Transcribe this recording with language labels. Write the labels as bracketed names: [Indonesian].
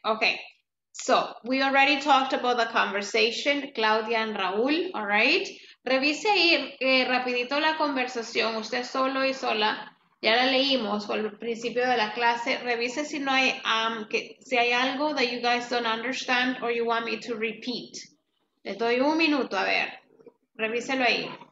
[English] Okay, so we already talked about the conversation, Claudia and Raúl, all right? [Spanish] Revise ahí rapidito la conversación, usted solo y sola, ya la leímos al principio de la clase. Revise si no hay, si hay algo [English] that you guys don't understand or you want me to repeat. [Spanish] Le doy un minuto, a ver, revíselo ahí.